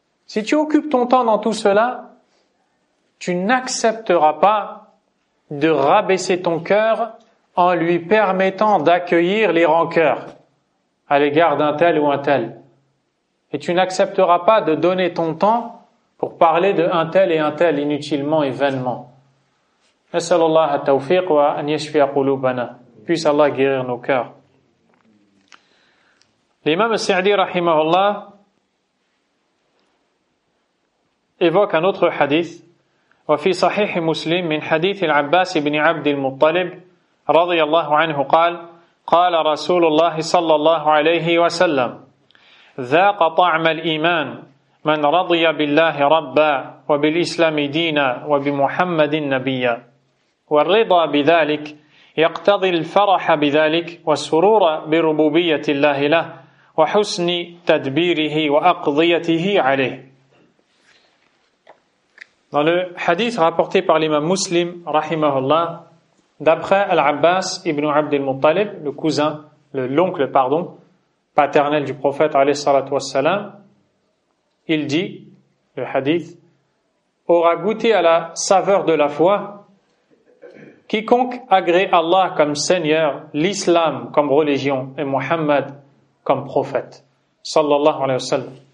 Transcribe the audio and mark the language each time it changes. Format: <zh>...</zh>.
<fr>Si tu occupes ton temps dans tout cela, tu n'accepteras pas de rabaisser ton cœur en lui permettant d'accueillir les rancœurs à l'égard d'un tel ou un tel. Et tu n'accepteras pas de donner ton temps pour parler de un tel et un tel inutilement et vainement.</fr> <ar>نسأل الله التوفيق وأن يشفي قلوبنا.</ar> <fr>Puisse Allah guérir nos cœurs. L'imam al-Sa'di rahimahullah évoque un autre hadith.</fr> <ar>وفي صحيح مسلم من حديث العباس بن عبد المطلب رضي الله عنه قال قال رسول الله صلى الله عليه وسلم ذاق طعم الإيمان من رضي بالله ربا وبالإسلام دينا وبمحمد نبيا والرضا بذلك يقتضي الفرح بذلك والسرور بربوبية الله له وحسن تدبيره وأقضيته عليه.</ar> <fr>Dans le hadith rapporté par l'imam Muslim, rahimahullah, d'après Al-Abbas ibn Abd al-Muttalib, le cousin, l'oncle, pardon, paternel du prophète, alayhi salatu wassalam, il dit, le hadith, aura goûté à la saveur de la foi quiconque agrée Allah comme Seigneur, l'Islam comme religion et Muhammad comme prophète, sallallahu alayhi wasallam.</fr>